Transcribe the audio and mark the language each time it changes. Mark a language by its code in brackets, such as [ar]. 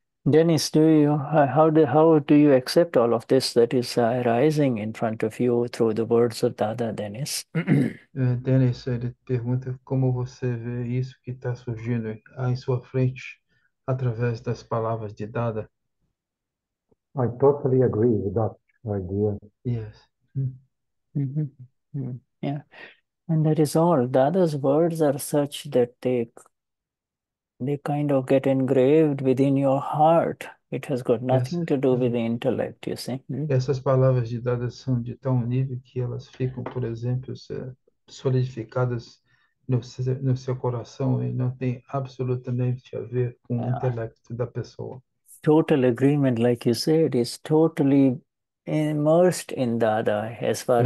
[en] Dennis, how do you accept all of this that is arising in front of you through the words of Dada, Dennis? [pt] Dennis, ele pergunta como você vê isso que está surgindo aí em sua frente através das palavras de Dada. [en] I totally agree with that idea. And that is all. Dada's words are such that they kind of get engraved within your heart. It has got nothing to do with the intellect, you see. [pt] Essas palavras de Dada são de tal nível que elas ficam, por exemplo, solidificadas no seu coração e não tem absolutamente a ver com o intelecto da pessoa. [en] Total agreement, like you said, is totally immersed in Dada, as far